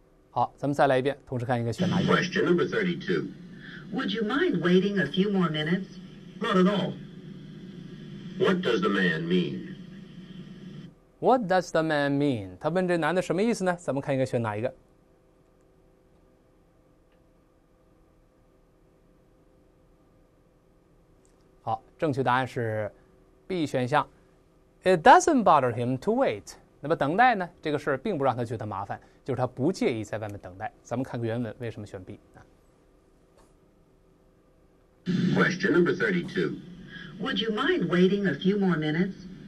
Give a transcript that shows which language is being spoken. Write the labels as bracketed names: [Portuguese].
[Chinese] 好，咱们再来一遍，同时看应该选哪一个。 [English] Question number 32. Would you mind waiting a few more minutes? Not at all. What does the man mean? What does the man mean? [Chinese] 他问这男的什么意思呢？咱们看应该选哪一个。好，正确答案是 B 选项。 [English] It doesn't bother him to wait. [Chinese] 那么等待呢？这个事并不让他觉得麻烦，就是他不介意在外面等待。咱们看个原文，为什么选 B？ [English] Question number 32. Would you mind waiting a few more minutes?